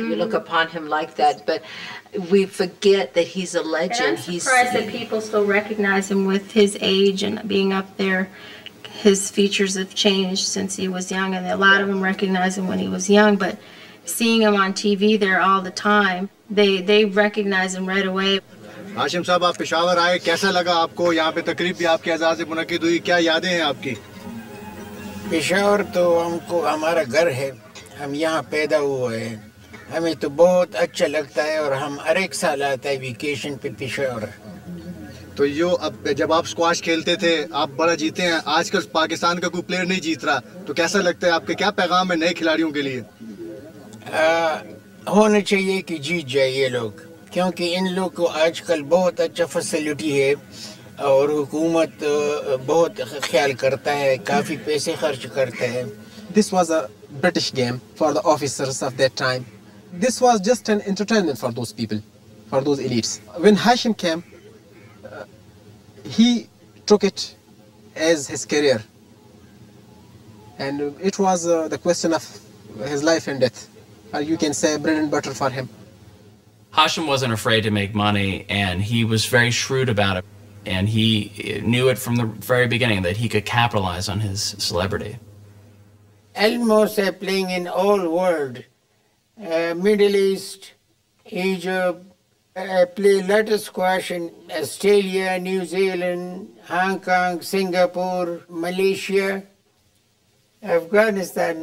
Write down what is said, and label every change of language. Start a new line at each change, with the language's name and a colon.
English: Mm. You look upon him like that, but we forget that he's a legend. And I'm surprised that people still recognize him with his age and being up there. His features have changed since he was young, and a lot of them recognize him when he was young, but seeing him on TV there all the time, they recognize him right away.
Urdu: ہاشم صاحب آپ پشاور آئے کیسا لگا آپ کو یہاں پہ تقریب بھی آپ کے اعزاز سے منعقد ہوئی کیا یادیں ہیں آپ کی پشاور تو ہم کو ہمارا گھر ہے ہم یہاں پیدا ہوئے ہیں ہمیں تو بہت اچھا لگتا ہے اور ہم ہر ایک سال آتا ہے ویکیشن پہ پشاور تو یو اب جب آپ اسکواش کھیلتے تھے آپ بڑا جیتے ہیں آج کل پاکستان کا کوئی پلیئر نہیں جیت رہا تو کیسا لگتا ہے آپ کے کیا پیغام ہے نئے کھلاڑیوں کے لیے ہونا چاہیے کہ جیت جائے یہ لوگ کیونکہ ان لوگ کو آج کل بہت اچھا فیسلٹی ہے اور حکومت بہت خیال کرتا ہے کافی پیسے خرچ کرتا ہے
English: This was a British game for the officers of that time this was just an entertainment for those people for those elites when Hashim came he took it as his career and it was the question of his life and death اور you can say bread and butter for him Hashim wasn't afraid to make money, and he was very shrewd about it. And he knew it from the very beginning that he could capitalize on his celebrity. Elmo's playing in all world, Middle East, Egypt, play letter squash in Australia, New Zealand, Hong Kong, Singapore, Malaysia, Afghanistan.